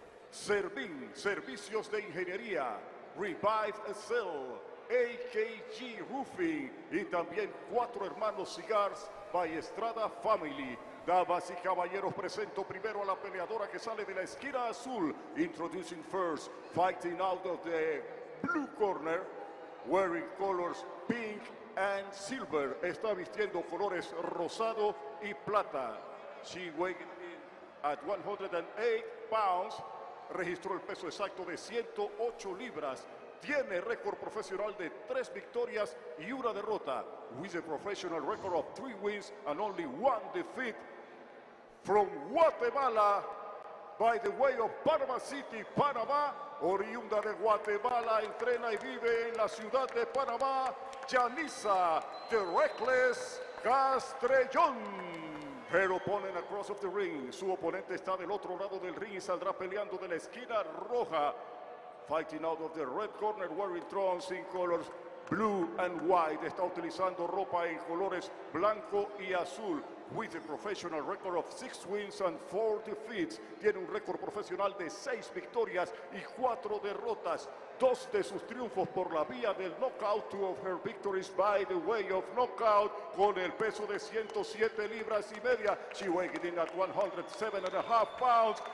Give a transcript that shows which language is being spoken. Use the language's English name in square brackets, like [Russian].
[Spanish] Servín, servicios de ingeniería. Revive Excel, AKG Roofing y también Cuatro Hermanos Cigars by Estrada Family. Damas y caballeros, presento primero a la peleadora que sale de la esquina azul. [English] Introducing first, fighting out of the blue corner, wearing colors pink and silver. [Spanish] Está vistiendo colores rosado y plata. [English] She weighed at 108 pounds. [Spanish] Registró el peso exacto de 108 libras. Tiene récord profesional de 3 victorias y una derrota. [English] With a professional record of 3 wins and only one defeat. From Guatemala, by the way of Panama City, [Spanish] Panamá, oriunda de Guatemala, entrena y vive en la ciudad de Panamá, Yanisa The Reckless Castrellón. [English] Her opponent across of the ring. [Spanish] Su oponente está del otro lado del ring y saldrá peleando de la esquina roja. [English] Fighting out of the red corner, wearing trunks in colors blue and white. [Spanish] Está utilizando ropa en colores blanco y azul. [English] With a professional record of 6 wins and 4 defeats. [Spanish] Tiene un récord profesional de 6 victorias y 4 derrotas. Dos de sus triunfos por la vía del knockout. [English] Two of her victories by the way of knockout. [Spanish] Con el peso de 107 libras y media. [English] She weighed in at 107 and a half pounds.